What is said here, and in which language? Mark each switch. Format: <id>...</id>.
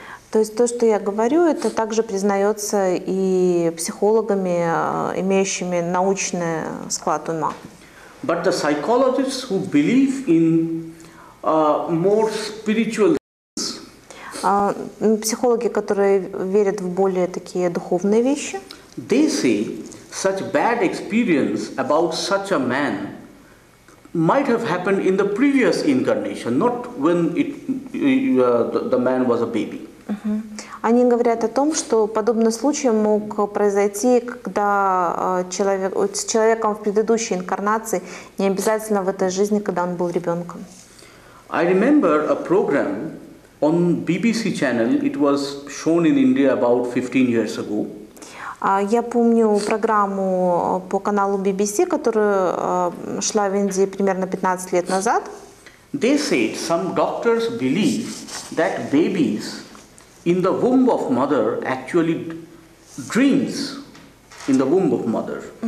<ru>То есть то, что я говорю, это также признается и психологами, имеющими научный склад ума.</ru> <en>But the psychologists who believe in more spiritual things,</en> <ru>психологи, которые верят в более такие духовные вещи,</ru> <en>they say such bad experience about such a man might have happened in the previous incarnation, not when the man was a baby.</en> <ru>Они говорят о том, что подобный случай мог произойти, когда с человеком в предыдущей инкарнации, не обязательно в этой жизни, когда он был ребенком.</ru> <en>I remember a program on BBC channel. It was shown in India about 15 years ago.</en> <ru>Я помню программу по каналу BBC, которая шла в Индии примерно 15 лет назад.</ru> <en>They said some doctors believe that babies in the womb of mother actually dreams in the womb of mother.</en>